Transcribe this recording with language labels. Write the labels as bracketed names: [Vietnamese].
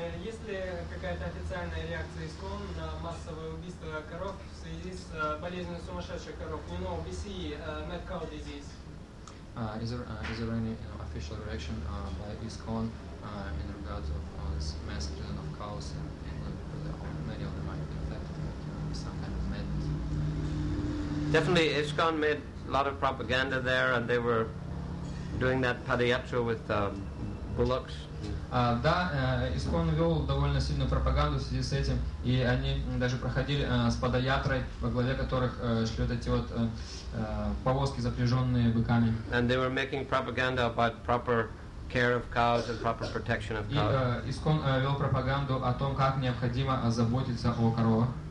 [Russian] Есть ли какая-то официальная реакция ИСКОН на массовое убийство коров в связи с болезнью сумасшедших коров? [English] You know, BCE, mad cow disease. Is there any, you know, official reaction by ISKCON in regards of this mass killing of cows in England? Many of them might be affected with some kind of madness. Definitely, ISKCON made a lot of propaganda there, and they were doing that padayatra with bullocks. [Russian] Да, ISKCON вел довольно сильную пропаганду в связи с этим, и они даже проходили с падаятрой, во главе которых шли вот эти вот повозки, запряженные быками. [English] And they were making propaganda about proper care of cows and proper protection of cows. [Russian] И ISKCON вел пропаганду о том, как необходимо заботиться о коровах.